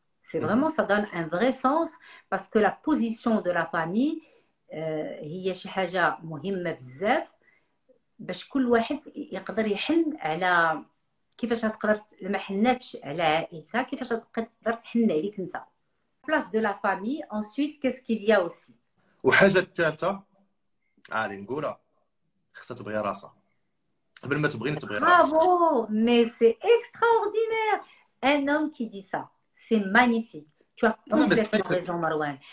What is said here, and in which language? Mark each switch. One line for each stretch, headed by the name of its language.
French: C'est vraiment, ça donne un vrai sens parce que la position de la famille, il y a quelque chose de important bzaf
Arabic: باش كل واحد يقدر يحن على كيفاش تقدر لما حنتش على عائلتها كيفاش تقدر تحن عليك انت.
French: Place de la famille, ensuite, qu'est-ce qu'il y a aussi?
Arabic: وحاجة الثالثة علي نقولها خصها تبغي راسها قبل ما تبغيني تبغي راسها.
French: Bravo! Mais c'est extraordinaire! Un homme qui dit ça, c'est magnifique. Tu as Non, mais complètement raison, Marouane.